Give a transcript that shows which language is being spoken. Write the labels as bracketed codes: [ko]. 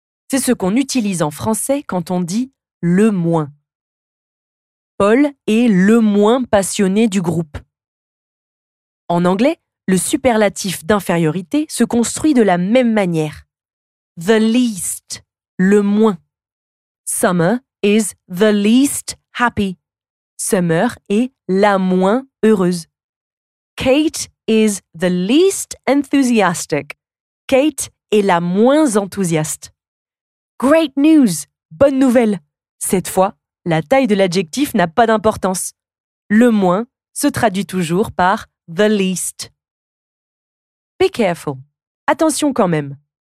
[fr] C'est ce qu'on utilise en français quand on dit « le moins ». Paul est le moins passionné du groupe. En anglais, le superlatif d'infériorité se construit de la même manière. « [en] The least [fr] ». Le moins. [en] Summer is the least happy. [fr] Summer est la moins heureuse. [en] Kate is the least enthusiastic. [fr] Kate est la moins enthousiaste. [en] Great news! [fr] Bonne nouvelle! Cette fois, la taille de l'adjectif n'a pas d'importance. Le moins se traduit toujours par [en] the least. Be careful. [fr] Attention quand même.